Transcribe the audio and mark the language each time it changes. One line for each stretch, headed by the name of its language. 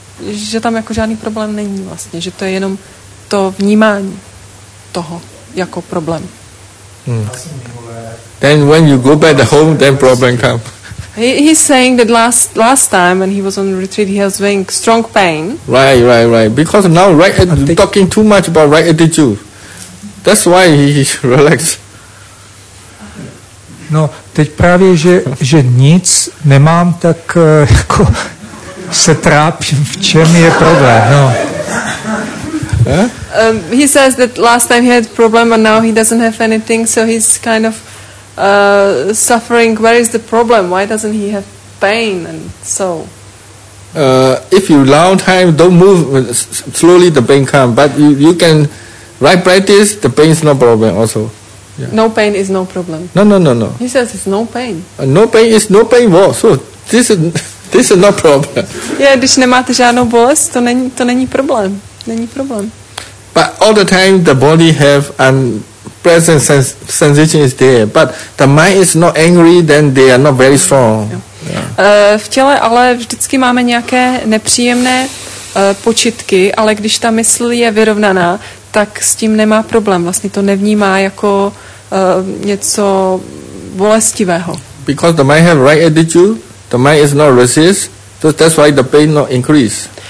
Czech: Že tam jako žádný problém není vlastně, že to je jenom to vnímání toho jako problém.
English: Then when you go back home, then problem come. He's saying that last time when he was on retreat, he was having strong pain. Right. Because now right talking too much about right attitude. That's why he relaxed.
Czech: No, teď právě, že nic nemám, tak jako... se trápím, v čem je problém, no.
English: He says that last time he had problem and now he doesn't have anything, so he's kind of suffering. Where is the problem? Why doesn't he have pain and so? If you long time, don't move, slowly the pain comes, but you can right practice, the pain's no problem also. No pain is no problem. No. He says it's no pain. No pain war. So this is no problem.
Czech: Yeah, když nemáte žádnou bolest, to není problém. Není problém.
English: But all the time the body have an present sensation is there, but the mind is not angry, then they are not very strong.
Czech: V těle ale vždycky máme nějaké nepříjemné počitky, ale když ta mysl je vyrovnaná, tak s tím nemá problém. Vlastně to nevnímá jako něco bolestivého.
English: Because the mind have right attitude, the mind is not resist, so that's why the pain not increase.